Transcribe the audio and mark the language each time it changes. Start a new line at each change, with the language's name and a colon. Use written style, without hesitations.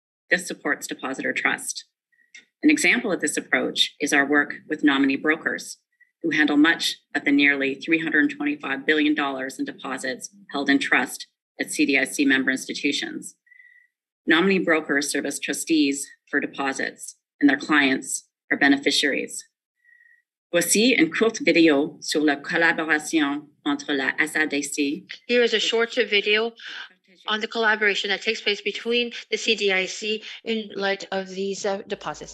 English: This supports depositor trust. An example of this approach is our work with nominee brokers, who handle much of the nearly $325 billion in deposits held in trust at CDIC member institutions. Nominee brokers serve as trustees for deposits, and their clients are beneficiaries.
French: Voici une courte vidéo sur la collaboration entre la SADC.
English: Here is a short video on the collaboration that takes place between the CDIC in light of these deposits.